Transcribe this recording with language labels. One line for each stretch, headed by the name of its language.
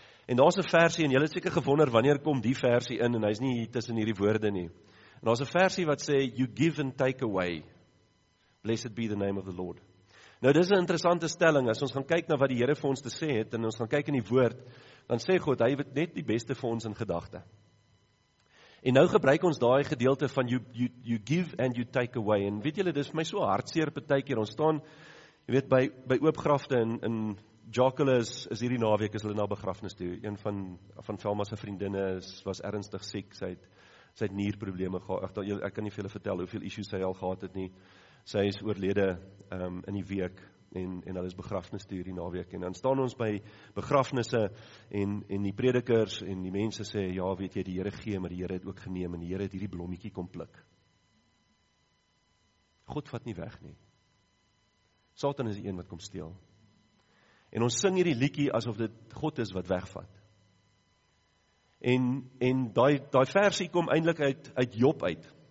Afrikaans: En daar is een versie, en julle het seker gewonder, wanneer kom die versie in, en hy is nie tussen hierdie woorde nie. En daar is een versie wat sê,
English: you give and take away. Blessed be the name of the Lord.
Afrikaans: Nou, dit is een interessante stelling, as ons gaan kyk na wat die Here vir ons te sê het, en ons gaan kyk in die woord, dan sê God, hy het net die beste vir ons in gedagte. En nou gebruik ons daai gedeelte van
English: you give and you take away.
Afrikaans: En weet julle, dit is my so hartseer partykeer, ons staan, jy weet, by oopgrafte in Jakkele is hierdie naweek, is hulle na begrafnis toe. Een van Velma se vriendinne was ernstig siek, sy het nierprobleme gehad. Ek kan nie veel vertel hoeveel issues sy al gehad het nie. Sy is oorlede in die week en hulle is begrafnis toe hierdie naweek. En dan staan ons by begrafnisse en die predikers en die mense sê, ja, weet jy, die Here gee, maar die Here het ook geneem en die Here het hierdie blommetjie kom pluk. God vat nie weg nie. Satan is die een wat kom steel. En ons sing hierdie liedjie asof dit God is wat wegvat. En daai versie kom eindelijk uit Job uit.